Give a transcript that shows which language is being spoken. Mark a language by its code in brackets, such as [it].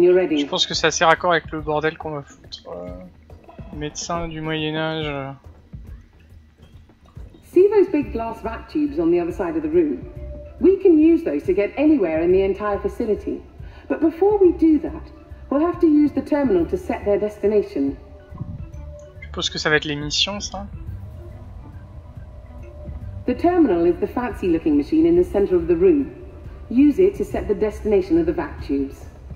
[fr] Je pense que c'est assez raccord avec le bordel qu'on va foutre. Médecin du Moyen-Âge. [en] See those big glass rat tubes on the other side of the room? We can use those to get anywhere in the entire facility. But before we do that, we'll have to use the terminal to set their destination. [fr] Je pense que ça va être les missions, ça. [en] The terminal is the fancy looking machine in the center of the room. Use it to set the destination of the vac tubes.